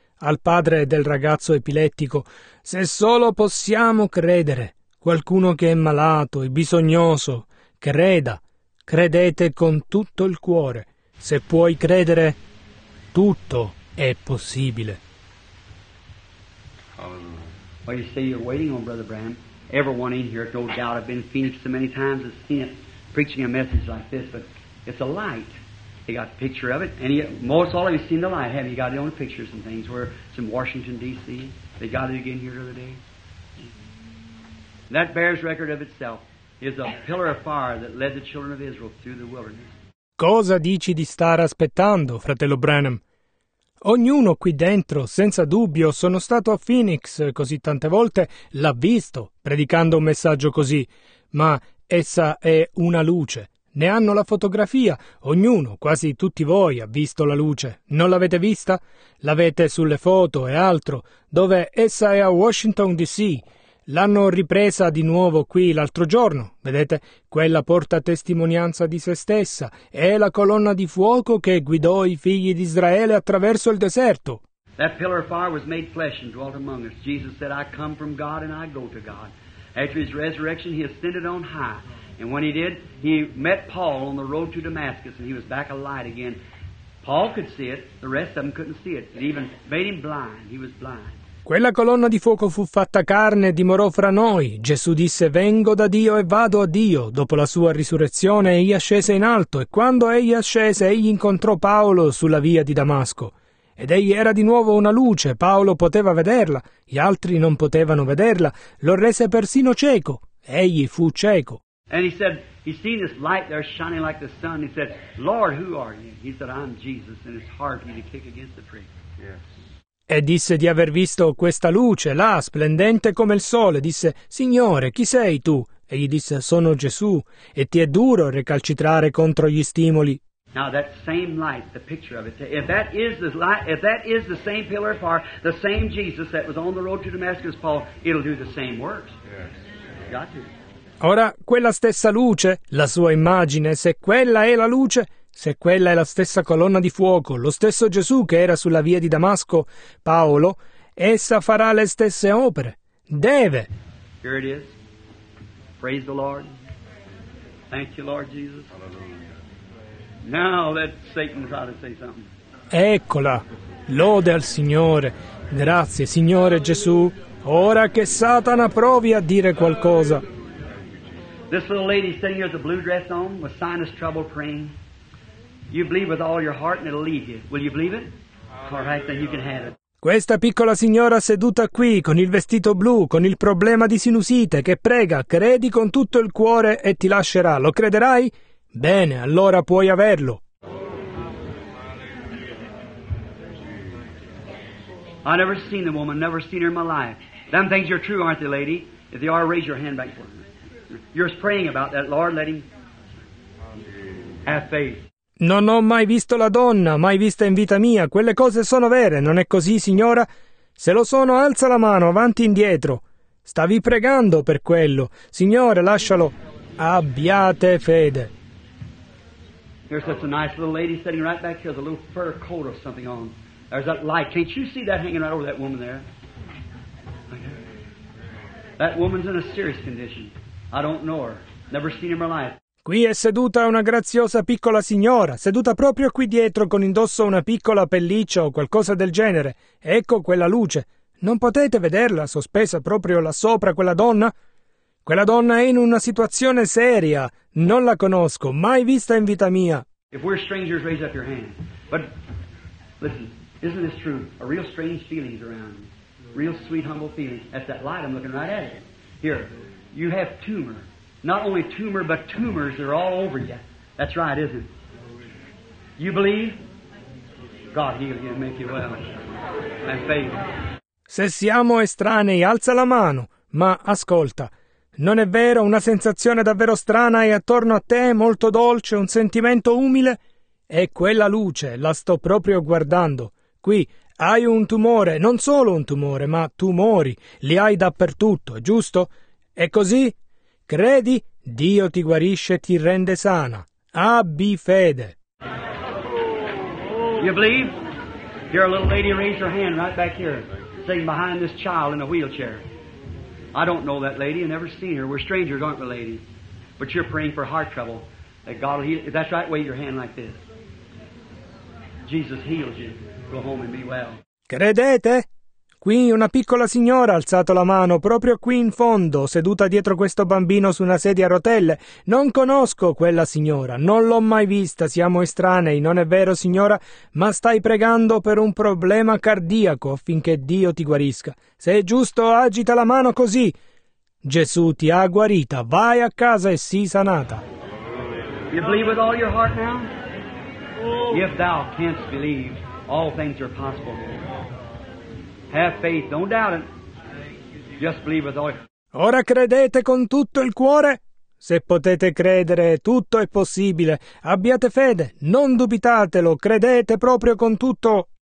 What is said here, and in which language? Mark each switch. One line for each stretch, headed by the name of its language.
Italian: Al padre del ragazzo epilettico, se solo possiamo credere, qualcuno che è malato e bisognoso, creda, credete con tutto il cuore. Se puoi credere, tutto è possibile.
English: Well, you say you're waiting on Brother Branham. Everyone in here, no doubt, have been in Phoenix so many times, has seen it, preaching a message like this, but it's a light. He got a picture of it, and he, most all of you seen the light, have you? Got it on pictures and things. Where it's in Washington, D.C. They got it again here the other day. That bears record of itself. Is a pillar of fire that led the children of Israel through the wilderness.
Italian: Cosa dici di stare aspettando, fratello Branham? Ognuno qui dentro, senza dubbio, sono stato a Phoenix così tante volte, l'ha visto, predicando un messaggio così. Ma essa è una luce. Ne hanno la fotografia. Ognuno, quasi tutti voi, ha visto la luce. Non l'avete vista? L'avete sulle foto e altro. Dove essa è a Washington, D.C. L'hanno ripresa di nuovo qui l'altro giorno. Vedete? Quella porta testimonianza di se stessa. È la colonna di fuoco che guidò i figli di Israele attraverso il deserto.
English: That pillar of fire was made flesh and dwelt among us. Jesus said, I come from God and I go to God. After his resurrection, he ascended on high. And when he did, he met Paul on the road to Damascus, and he was back a light again. Paul could see it, the rest of them couldn't see it. It even made him blind. He was blind.
Italian: Quella colonna di fuoco fu fatta carne e dimorò fra noi. Gesù disse, vengo da Dio e vado a Dio. Dopo la sua risurrezione, egli ascese in alto, e quando egli ascese, egli incontrò Paolo sulla via di Damasco. Ed egli era di nuovo una luce, Paolo poteva vederla, gli altri non potevano vederla, lo rese persino cieco, egli fu cieco.
English: And he said, he seen this light there shining like the sun. He said, Lord, who are you? He said, I'm Jesus, and it's hard for me to kick against the prick. Yes.
Italian: E disse di aver visto questa luce, là, splendente come il sole. Disse, Signore, chi sei tu? E gli disse, sono Gesù, e ti è duro recalcitrare contro gli stimoli.
English: Now that same light, the picture of it, if that is the light, if that is the same pillar of fire, the same Jesus that was on the road to Damascus, Paul, it'll do the same works. Yes. Got to.
Italian: Ora, quella stessa luce, la sua immagine, se quella è la luce, se quella è la stessa colonna di fuoco, lo stesso Gesù che era sulla via di Damasco, Paolo, essa farà le stesse opere. Deve.
English: Here it is. Praise the Lord. Thank you, Lord Jesus. Hallelujah. Now let Satan try to say something.
Italian: Eccola. Lode al Signore. Grazie, Signore Gesù. Ora che Satana provi a dire qualcosa.
English: This little lady sitting here with a blue dress on, with sinus trouble praying. You believe with all your heart and it'll leave you. Will you believe it? All right, then you can have it.
Italian: Questa piccola signora seduta qui, con il vestito blu, con il problema di sinusite, che prega, credi con tutto il cuore e ti lascerà. Lo crederai? Bene, allora puoi averlo.
English: I've never seen the woman, never seen her in my life. Them things are true, aren't they, lady? If they are, raise your hand back for me. You're praying about that, Lord, let him have faith.
Italian: Non ho mai visto la donna, mai vista in vita mia. Quelle cose sono vere, non è così, signora? Se lo sono, alza la mano, avanti e indietro. Stavi pregando per quello. Signore, lascialo. Abbiate fede.
English: There's such a nice little lady sitting right back here with a little fur coat or something on. There's that light. Can't you see that hanging right over that woman there? That woman's in a serious condition. I don't know her. Never seen her in my life.
Italian: Qui è seduta una graziosa piccola signora, seduta proprio qui dietro con indosso una piccola pelliccia o qualcosa del genere. Ecco quella luce. Non potete vederla, sospesa proprio là sopra, quella donna? Quella donna è in una situazione seria. Non la conosco, mai vista in vita mia.
English: If we're strangers, raise up your hand. But, listen, isn't this true? A real strange feeling is around you. Real sweet, humble feeling. At that light, I'm looking right at it. Here, you have tumor. Not only tumor, but tumors are all over you. That's right, isn't it? You believe? God heal you and make you well. Have faith.
Italian: Se siamo estranei, alza la mano. Ma ascolta, non è vero, una sensazione davvero strana è attorno a te, molto dolce, un sentimento umile? È quella luce, la sto proprio guardando. Qui hai un tumore, non solo un tumore, ma tumori, li hai dappertutto, giusto? È così? Credi? Dio ti guarisce e ti rende sana. Abbi fede.
English: You believe? Here, a little lady, raise her hand right back here, sitting behind this child in a wheelchair. I don't know that lady. I've never seen her. We're strangers, aren't we, lady? But you're praying for heart trouble. That God will heal. If that's right, wave your hand like this. Jesus heals you. Go home and be well.
Italian: Credete? Qui una piccola signora ha alzato la mano, proprio qui in fondo, seduta dietro questo bambino su una sedia a rotelle. Non conosco quella signora, non l'ho mai vista, siamo estranei, non è vero signora? Ma stai pregando per un problema cardiaco affinché Dio ti guarisca. Se è giusto, agita la mano così. Gesù ti ha guarita, vai a casa e sii sanata.
English: You believe with all your heart now? If thou canst believe, all things are possible. Have faith, don't doubt it. Just believe with all.
Italian: Ora credete con tutto il cuore? Se potete credere, tutto è possibile. Abbiate fede, non dubitatelo, credete proprio con tutto.